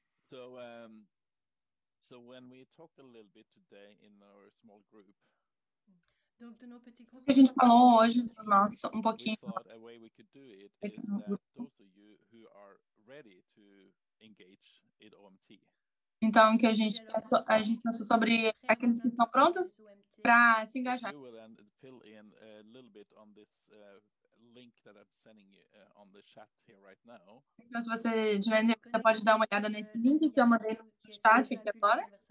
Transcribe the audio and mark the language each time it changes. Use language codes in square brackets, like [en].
[en] So, so when we talked a little bit today in our small group, a way we could do it is that those of you who are ready to engage in OMT. [pt] Então, que a gente pensou sobre aqueles que estão prontos para se engajar. [en] You will then fill in a little bit on this link that I'm sending you on the chat here right now. [pt] Então, se você tiver, você pode dar uma olhada nesse link que eu mandei no chat aqui agora.